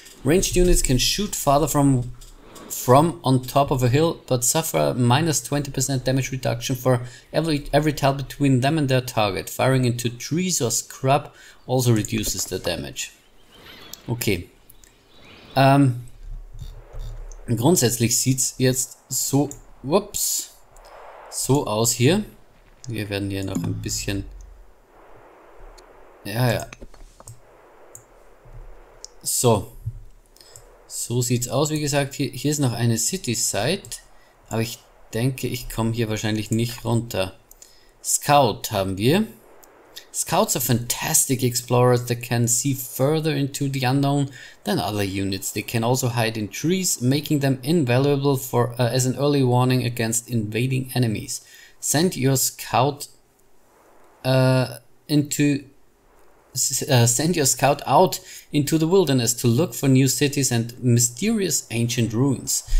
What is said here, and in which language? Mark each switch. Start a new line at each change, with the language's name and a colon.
English: Ranged units can shoot farther from on top of a hill, but suffer minus 20% damage reduction for every tile between them and their target. Firing into trees or scrub also reduces the damage. Okay.
German: Grundsätzlich sieht's jetzt so, whoops, so aus hier. Wir werden hier noch ein bisschen, ja. So. So sieht's aus, wie gesagt, hier ist noch eine City Site, aber ich denke, ich komme hier wahrscheinlich nicht runter. Scout haben wir.
English: Scouts are fantastic explorers that can see further into the unknown than other units. They can also hide in trees, making them invaluable for as an early warning against invading enemies. Send your scout send your scout out into the wilderness to look for new cities and mysterious ancient ruins.